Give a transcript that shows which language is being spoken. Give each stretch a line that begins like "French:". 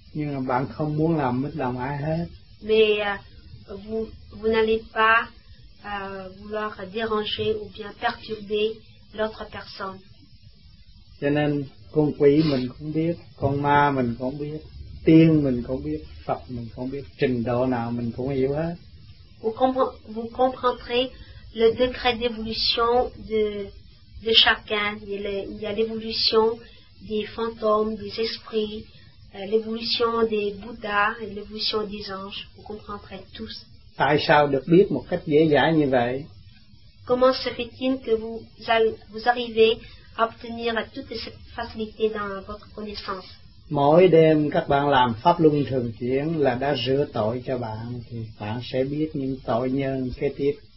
Vietnamese: Nhưng mà bạn không muốn làm mất lòng ai hết.
French: Mais vous n'allez pas vouloir déranger ou bien perturber l'autre personne.
Vietnamese: Cho nên con quỷ mình cũng biết, con ma mình cũng biết, tiên mình cũng biết, Phật mình cũng biết, trình độ nào mình cũng hiểu hết.
French: Vous comprendrez le degré d'évolution de chacun. Il y a l'évolution des fantômes, des esprits, l'évolution des Bouddhas et l'évolution des anges. Vous comprendrez tous.
Vietnamese: Tại sao được biết một cách dễ dàng như vậy?
French: Comment se fait-il que vous arrivez à obtenir toutes ces facilités dans votre connaissance?
Vietnamese: Mỗi đêm các bạn làm pháp luân thường chuyển là đã rửa tội cho bạn, thì bạn sẽ biết những tội nhân kế tiếp.